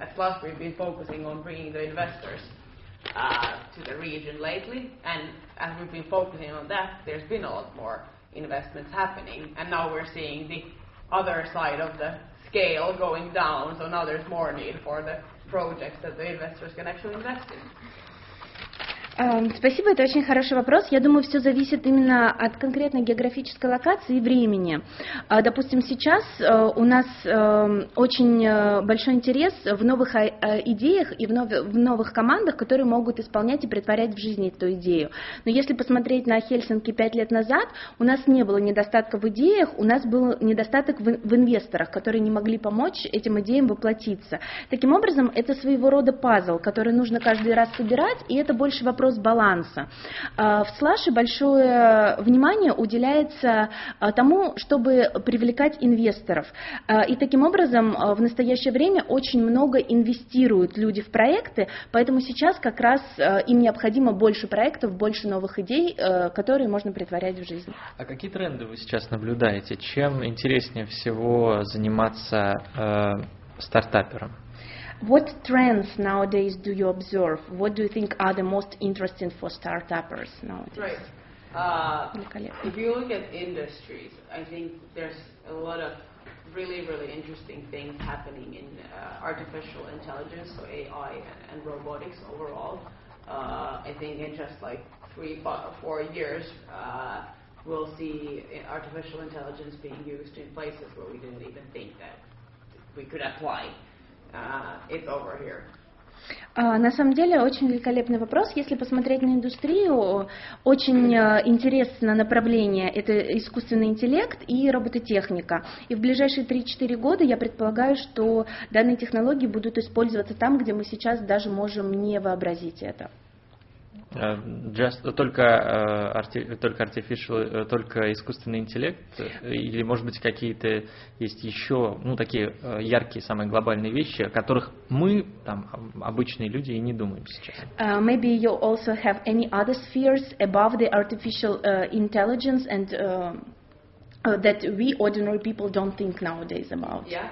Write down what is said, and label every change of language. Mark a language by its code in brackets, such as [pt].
[en] At last, we've been focusing on bringing the investors to the region lately, and as we've been focusing on that, there's been a lot more investments happening, and now we're seeing the other side of the scale going down, so now there's more need for the projects that the investors can actually invest in. [ru] Спасибо, это очень хороший вопрос. Я думаю, все зависит именно от конкретной географической локации и времени. Допустим, сейчас у нас очень большой интерес в новых идеях и в новых командах, которые могут исполнять и претворять в жизни эту идею. Но если посмотреть на Хельсинки 5 лет назад, у нас не было недостатка в идеях, у нас был недостаток в инвесторах, которые не могли помочь этим идеям воплотиться. Таким образом, это своего рода пазл, который нужно каждый раз собирать, и это больше вопрос баланса. В Slush большое внимание уделяется тому, чтобы привлекать инвесторов. И таким образом в настоящее время очень много инвестируют люди в проекты, поэтому сейчас как раз им необходимо больше проектов, больше новых идей, которые можно претворять в жизнь. А какие тренды вы сейчас наблюдаете? Чем интереснее всего заниматься стартапером? [en] What trends nowadays do you observe? What do you think are the most interesting for startups nowadays? Right. If you look at industries, I think there's a lot of really, really interesting things happening in artificial intelligence, so AI and robotics overall. I think in just 3-4 years, we'll see artificial intelligence being used in places where we didn't even think that we could apply. It's over here. [ru] На самом деле, очень великолепный вопрос. Если посмотреть на индустрию, очень интересно направление – это искусственный интеллект и робототехника. И в ближайшие 3-4 года я предполагаю, что данные технологии будут использоваться там, где мы сейчас даже можем не вообразить это. Только искусственный интеллект, или, может быть, какие-то есть еще, ну, такие яркие, самые глобальные вещи, о которых мы, там, обычные люди, и не думаем сейчас. [en] Maybe you also have any other spheres above the artificial intelligence and that we ordinary people don't think nowadays about.